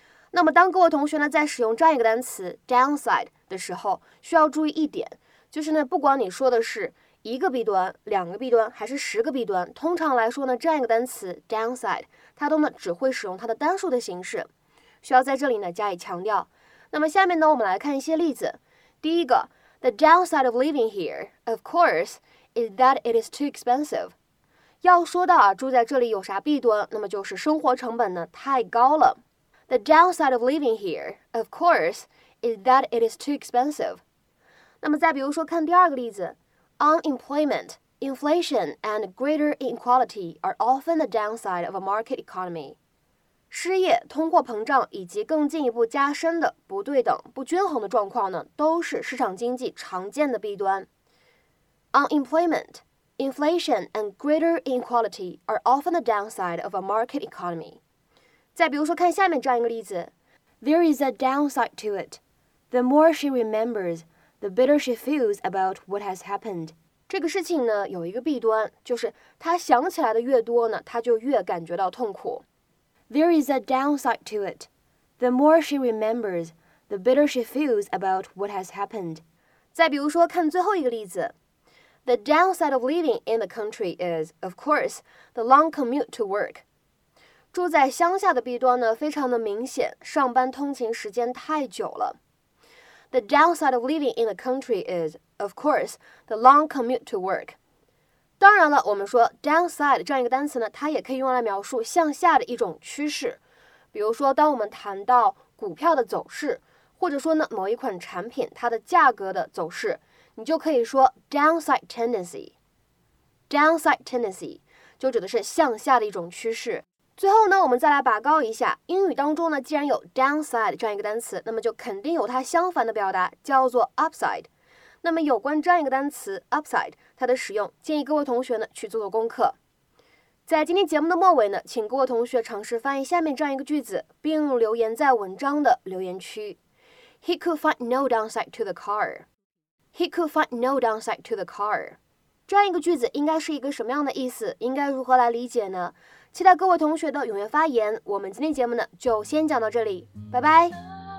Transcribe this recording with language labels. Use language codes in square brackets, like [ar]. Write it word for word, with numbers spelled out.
[zh] 那么，当各位同学呢在使用这样一个单词 downside 的时候，需要注意一点，就是呢，不管你说的是一个弊端、两个弊端，还是十个弊端，通常来说呢，这样一个单词 downside， 它都呢只会使用它的单数的形式，需要在这里呢加以强调。那么下面呢，我们来看一些例子。第一个 [en] The downside of living here, of course, is that it is too expensive. [zh] 要说到啊，住在这里有啥弊端，那么就是生活成本呢太高了。 [en] The downside of living here, of course, is that it is too expensive. [zh] 那么再比如说看第二个例子 [en] Unemployment, inflation, and greater inequality are often the downside of a market economy. [zh] 失业、通货膨胀以及更进一步加深的不对等、不均衡的状况呢，都是市场经济常见的弊端。 [en] Unemployment, inflation, and greater inequality are often the downside of a market economy. [zh] 再比如说，看下面这样一个例子 ： [en] There is a downside to it. The more she remembers, the bitter she feels about what has happened. [zh] 这个事情呢，有一个弊端，就是她想起来的越多呢，她就越感觉到痛苦。 [en] There is a downside to it. The more she remembers, the bitter she feels about what has happened. [zh] 再比如说，看最后一个例子。 [en] The downside of living in the country is, of course, the long commute to work. [zh] 住在乡下的弊端呢，非常的明显，上班通勤时间太久了。 [en] The downside of living in the country is, of course, the long commute to work. [zh] 当然了，我们说 downside 这样一个单词呢，它也可以用来描述向下的一种趋势。比如说，当我们谈到股票的走势，或者说呢某一款产品它的价格的走势，你就可以说 downside tendency。 downside tendency 就指的是向下的一种趋势。最后呢，我们再来拔高一下，英语当中呢，既然有 downside 这样一个单词，那么就肯定有它相反的表达，叫做 upside。那么有关这样一个单词 upside 它的使用，建议各位同学呢去做做功课。在今天节目的末尾呢，请各位同学尝试翻译下面这样一个句子，并留言在文章的留言区。 [en] He could find no downside to the car. He could find no downside to the car. [zh] 这样一个句子应该是一个什么样的意思？应该如何来理解呢？期待各位同学的踊跃发言。我们今天节目呢就先讲到这里，拜拜。